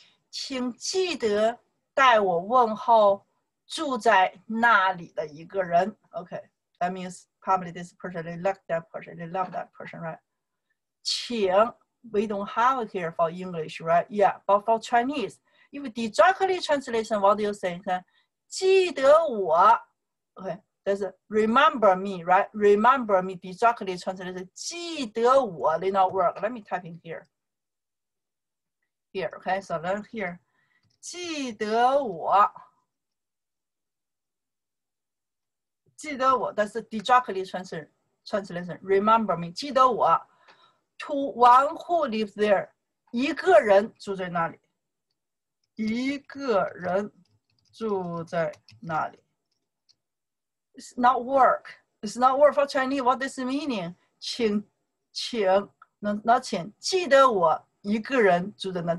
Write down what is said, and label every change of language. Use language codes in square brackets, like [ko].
[zh] 请记得代我问候住在那里的一个人。 [en] Okay, that means probably this person, they like that person, they love that person, right? [zh] 请, [en] we don't have it here for English, right? Yeah, but for Chinese. If the directly translation, what do you say? [zh] 记得我, [en] okay, that's remember me, right? Remember me, the directly translation, [zh] 记得我, [en] did not work. Let me type in here. Here, okay, so learn here. [zh] 记得我。记得我，但是 [en] directly translation remember me, [zh] 记得我 [en] to one who lives there, [zh] 一个人住在那里，一个人住在那里。 [en] It's not work for Chinese, what this meaning? [zh] 请记得我一个人住在那里。